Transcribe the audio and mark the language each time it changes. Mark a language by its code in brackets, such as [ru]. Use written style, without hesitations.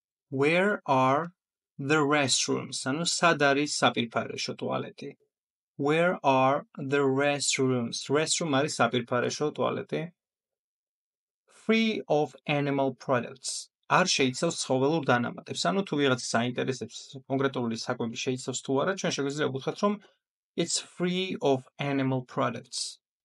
[en] Where are the restrooms? [ka] ანუ სად არის საპირფარეშო ტუალეტი? [en] Where are the restrooms? [ka] Restroom არის საპირფარეშო ტუალეტი. [en] Free of animal products. [ka] არ შეიცავს ცხოველურ დანამატებს. ანუ თუ ვიღაც საინტერესებს კონკრეტული საკვები შეიცავს თუ არა, ჩვენ შეგვიძლია გითხრათ რომ [en] it's free of animal products.